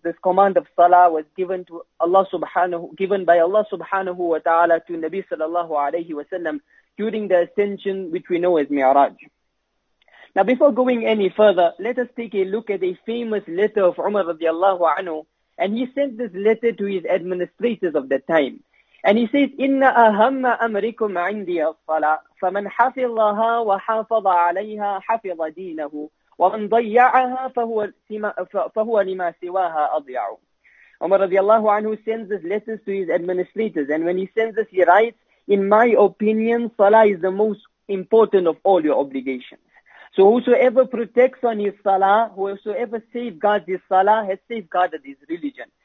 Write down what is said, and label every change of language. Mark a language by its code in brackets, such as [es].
[en] This command of salah was given by Allah subhanahu wa ta'ala to Nabi sallallahu alayhi wa sallam during the ascension, which we know as Mi'raj. Now, before going any further, let us take a look at a famous letter of Umar radiallahu anhu, and he sent this letter to his administrators of the time. And he says, [ar] إِنَّ أَهَمَّ أَمْرِكُمْ عِنْدِيَ الصَّلَاةِ فَمَنْ حَفِظَ اللَّهَ وَحَافَظَ عَلَيْهَا حَفِظَ دِينَهُ وَمَنْ ضَيَّعَهَا فَهُوَ لِمَا سِوَاهَا أَضْيَعُ. [en] Umar radiallahu anhu sends his letters to his administrators. And when he sends this, he writes, in my opinion, salah is the most important of all your obligations. So whosoever protects on his salah, whosoever safeguards his salah, has safeguarded his religion.